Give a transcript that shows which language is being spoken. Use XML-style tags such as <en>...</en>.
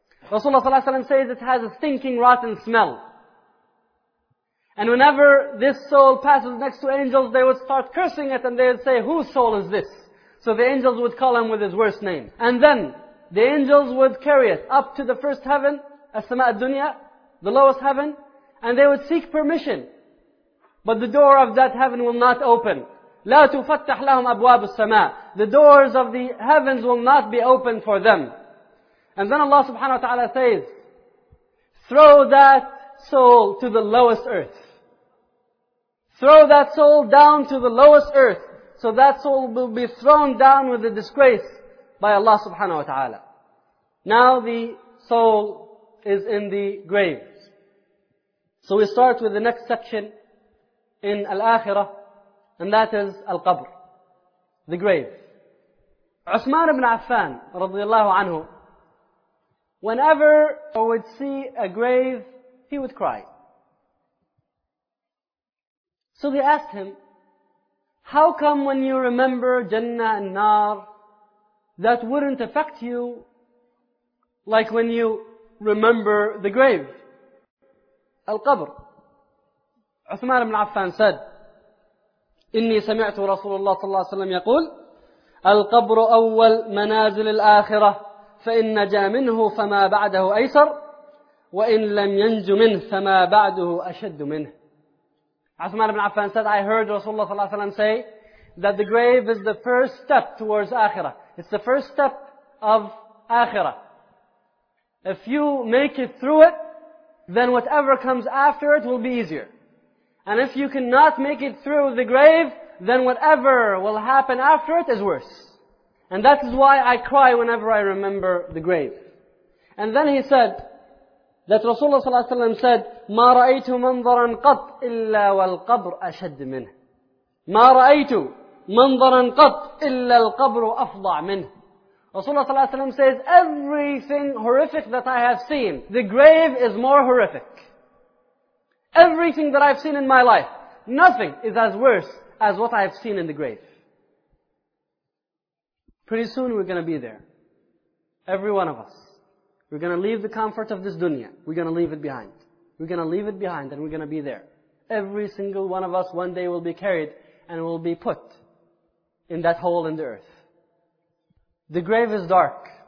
<en>Rasulullah ﷺ says it has a stinking, rotten smell. And whenever this soul passes next to angels, they would start cursing it and they would say, whose soul is this? So the angels would call him with his worst name. And then the angels would carry it up to the first heaven, As-Sama' al-Dunya, the lowest heaven, and they would seek permission. But the door of that heaven will not open.</en> <ar>لا تُفَتَّحْ لَهُمْ أَبْوَابُ السَّمَاءِ.</ar> <en>The doors of the heavens will not be opened for them. And then Allah subhanahu wa ta'ala says, throw that soul to the lowest earth. Throw that soul down to the lowest earth. So that soul will be thrown down with the disgrace by Allah subhanahu wa ta'ala. Now the soul is in the grave. So we start with the next section in Al-Akhirah, and that is Al-Qabr, the grave. Uthman ibn Affan, radiallahu anhu, whenever he would see a grave, he would cry. So they asked him, how come when you remember Jannah and Nar, that wouldn't affect you like when you remember the grave?</en> <ar>القبر. عثمان بن عفان</ar> <en>said,</en> <ar>إني سمعت رسول الله صلى الله عليه وسلم يقول, القبر أول منازل الآخرة, فإن نجا منه فما بعده أيسر, وإن لم ينج منه فما بعده أشد منه.</ar> <en>عثمان بن عفان said, I heard رسول الله صلى الله عليه وسلم say that the grave is the first step towards Akhirah. It's the first step of Akhirah. If you make it through it, then whatever comes after it will be easier. And if you cannot make it through the grave, then whatever will happen after it is worse. And that is why I cry whenever I remember the grave. And then he said, that Rasulullah صلى الله عليه وسلم said,</en> <ar>مَا رَأَيْتُ مَنْظَرًا قَطْ إِلَّا وَالْقَبْرُ أَشَدِّ مِنْهِ مَا رَأَيْتُ مَنْظَرًا قَطْ إِلَّا الْقَبْرُ أَفْضَعْ مِنْهِ</ar> <en>Rasulullah صلى الله عليه وسلم says, everything horrific that I have seen, the grave is more horrific. Everything that I've seen in my life, nothing is as worse as what I've seen in the grave. Pretty soon we're going to be there. Every one of us. We're going to leave the comfort of this dunya. We're going to leave it behind. We're going to leave it behind and we're going to be there. Every single one of us one day will be carried and will be put in that hole in the earth. The grave is dark.</en>